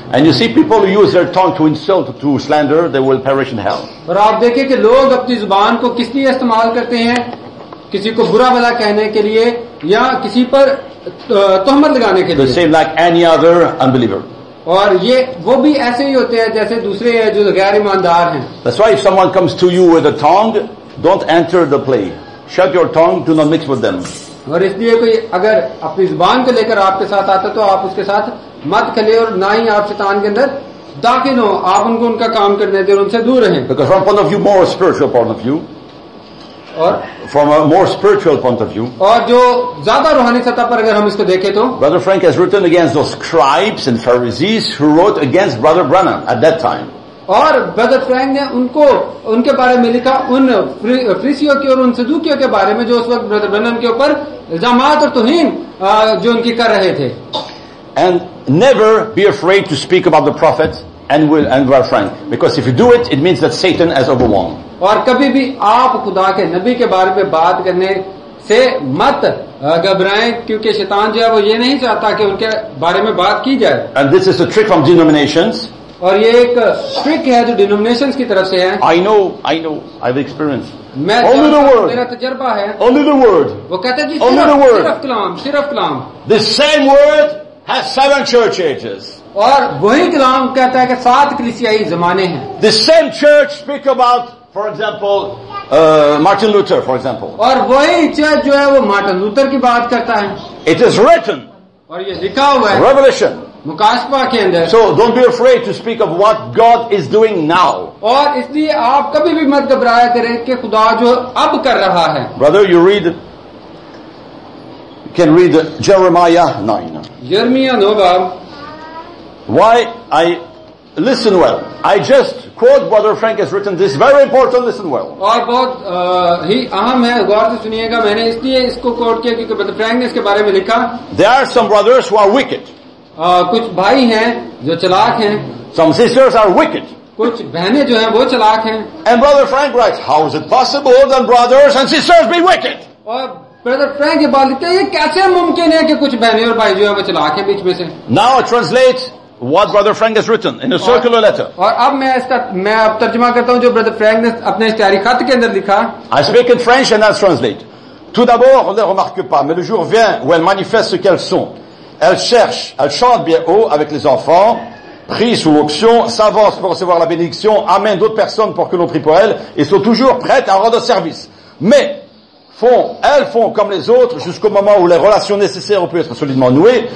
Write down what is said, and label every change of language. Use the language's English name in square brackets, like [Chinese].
[English] And you see people who use their tongue to insult to slander, they will perish in hell. [Hindi] और आप देखिए कि लोग अपनी जुबान को किस लिए इस्तेमाल करते हैं, किसी को बुरा भला कहने के लिए या किसी पर तोहमत लगाने के लिए. [English] Same like any other unbeliever. [Hindi] और ये वो भी ऐसे ही होते हैं जैसे दूसरे हैं जो गैर ईमानदार हैं. [English] That's why if someone comes to you with a tongue, don't enter the play. Shut your tongue, do not mix with them. [Hindi] और इसलिए कोई अगर अपनी जुबान को लेकर आपके साथ आता तो आप उसके साथ मत खेले, और ना ही आप शैतान के अंदर दाखिल हो. आप उनको उनका काम करने दें, उनसे दूर रहें. [English] Because from point of view, more spiritual point of view. [Hindi] और [English] from a more spiritual point of view, [Hindi] और जो ज्यादा रूहानी सतह पर अगर हम इसको देखें तो [English] Brother Frank has written against those scribes and Pharisees who wrote against Brother Branham at that time. [Hindi] और Brother Frank ने उनको उनके बारे में लिखा, उन फरीसियों की और उन सदूकियों के बारे में जो उस वक्त Brother Branham के ऊपर इल्जाम और तुहीन जो उनकी कर रहे थे. [English] And never be afraid to speak about the prophets and will and Brother Frank, because if you do it, it means that Satan has overwhelmed. [Hindi] और कभी भी आप खुदा के नबी के बारे में बात करने से मत घबराएं, क्योंकि शैतान जो है वो ये नहीं चाहता कि उनके बारे में बात की जाए. [English] And this is a trick from denominations. [Hindi] और ये एक ट्रिक है जो denominations की तरफ से है. [English] I know, I've experienced. [Hindi] मैं [English] only the word. [Hindi] मेरा तजर्बा है. [English] Only the word. [Hindi] वो कहते जी सिर्फ कलाम. [English] The same word has 7 church ages. [Hindi] और वही कलाम कहता है कि 7 कलीसियाई जमाने हैं. [English] The same church speak about, for example, Martin Luther, for example. [Hindi] और वही चर्च जो है वो मार्टिन लूथर की बात करता है. [English] It is written. [Hindi] और ये लिखा हुआ है. [English] Revelation. [Hindi] मुकाशफा के अंदर. [English] So don't be afraid to speak of what God is doing now. [Hindi] और इसलिए आप कभी भी मत घबराया करें कि खुदा जो अब कर रहा है. [English] Brother, you read. You can read Jeremiah 9. Jeremiah 9. Why I listen well? I just quote Brother Frank has written this very important. Listen well. [Hindi] और बहुत ही अहम है, गौर से सुनिएगा. मैंने इसलिए इसको quote किया क्योंकि Brother Frank ने इसके बारे में लिखा. [English] There are some brothers who are wicked. [Hindi] कुछ भाई हैं जो चलाक हैं. [English] Some sisters are wicked. [Hindi] कुछ बहनें जो हैं वो चलाक हैं. [English] And Brother Frank writes, how is it possible that brothers and sisters be wicked? [Hindi] और Brother Frank ये बात लिखते हैं, ये कैसे मुमकिन है कि कुछ बहनें और भाई जो हैं वो चलाक हैं बीच में से. [English] Now translate what Brother Frank has written in a circular letter. [Hindi] और अब मैं अब तर्जमा करता हूँ जो Brother Frank ने अपने इस तैयारी खत के अंदर लिखा. [English] I speak in French and I translate. [French] Tout d'abord, on ne remarque pas, mais le jour vient où elles manifestent ce qu'elles sont. Elles cherchent, elles chantent bien haut avec les enfants, prient sous l'onction, s'avancent pour recevoir la bénédiction, amènent d'autres personnes pour que l'on prie pour elles et sont toujours prêtes à rendre service. Mais elles font comme les autres jusqu'au moment où les relations nécessaires ont pu être solidement nouées.